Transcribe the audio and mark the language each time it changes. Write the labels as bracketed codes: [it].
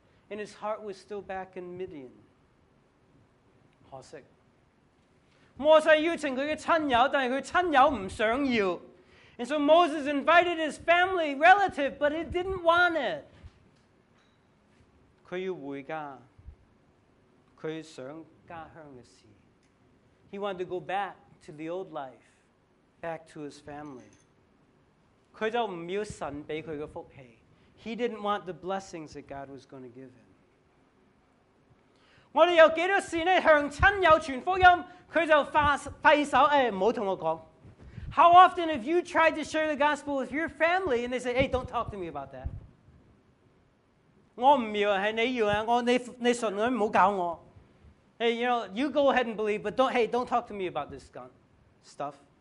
[en] ，and his heart was still back in Midian。 [yue] 可惜，摩西邀请佢嘅亲友，但系佢亲友唔想要 [en] ，and so Moses invited his family relative, but he didn't want it。 [yue] 佢要回家，佢想家乡嘅事 [en] ，he wanted to go back to the old life, back to his family。 [yue] 佢就唔要神俾佢嘅福气。 [en] He didn't want the blessings that God was going to give him. [yue] 我哋有几多事呢？向亲友传福音，佢就挥手，哎，唔好同我讲。 [en] How often have you tried to share the gospel with your family and they say, "Hey, don't talk to me about that." [yue] 我唔要，系你要啊！我你信我，唔好搞我。 [en] Hey, you know, you go ahead and believe, but don't talk to me about this God stuff.